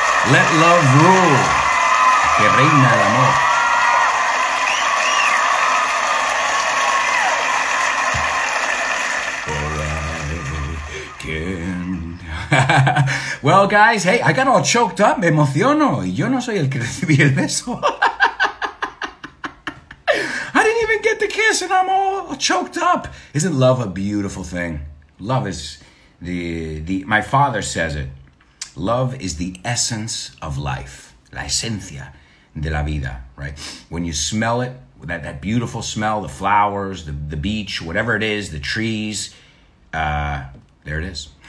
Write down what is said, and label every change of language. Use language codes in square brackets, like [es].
[en] Let love rule. [es] Que reina el amor. [en] For I can. Well, guys, hey, I got all choked up. [es] Me emociono. Yo no soy el que recibí el beso. [en] I didn't even get the kiss and I'm all choked up. Isn't love a beautiful thing? Love is my father says it. Love is the essence of life. [es] La esencia de la vida, [en] right? When you smell it, that beautiful smell, the flowers, the beach, whatever it is, the trees, there it is.